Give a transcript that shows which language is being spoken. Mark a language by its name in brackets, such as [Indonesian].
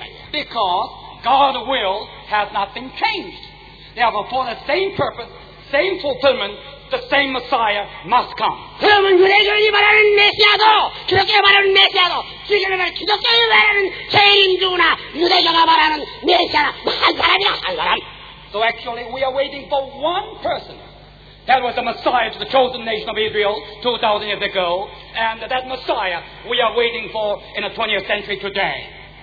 [English] Because God's will has not been changed. They are for the same purpose, same fulfillment, the same Messiah must come. [Korean] 그러면 유대교인이 말하는 메시아도 기독교가 말하는 메시아도 지금 기독교인이 말하는 재림 주나 유대교가 말하는 메시아나 한 사람이야 한 사람. [English] So actually we are waiting for one person. That was the Messiah to the chosen nation of Israel 2,000 years ago. And that Messiah we are waiting for in the 20th century today.